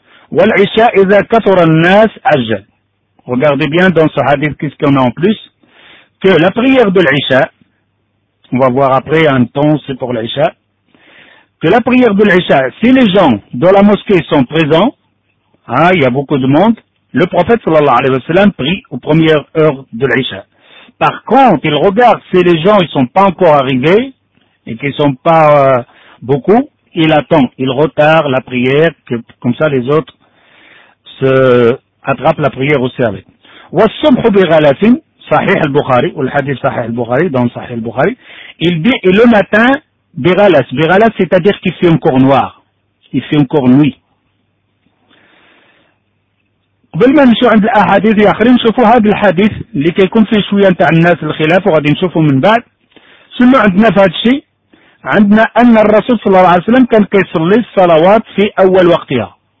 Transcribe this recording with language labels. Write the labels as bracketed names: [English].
[Arabic] Wal isha ida kathur al nas ajal. [French] Regardez bien dans ce hadith qu'est-ce qu'on a en plus, que la prière de l'isha, on va voir après un temps c'est pour l'isha, que la prière de l'isha, si les gens dans la mosquée sont présents, hein, il y a beaucoup de monde, le prophète sallallahu alayhi wa sallam prie aux premières heures de l'isha. Par contre, il regarde si les gens ils sont pas encore arrivés et qu'ils sont pas beaucoup, il attend, il retarde la prière, que comme ça les autres se attrape la prière au service. [Arabic] وَالصُّبْحُ بِغَلَثٍ صحيح البخاري، والحديث صحيح البخاري، [French] dans [Arabic] صحيح البخاري. [French] Il dit, et le matin, بغلث. بغلث, c'est-à-dire qu'il fait encore noir. Il fait encore nuit. [Arabic] قبل ما نمشيو عند الأحاديث الآخرين، نشوفوا هذا الحديث اللي كيكون فيه شوية نتاع الناس الخلاف، وغادي نشوفوا من بعد. شنو عندنا في هذا الشيء؟ عندنا أن الرسول صلى الله عليه وسلم كان كيصلي الصلوات في أول وقتها.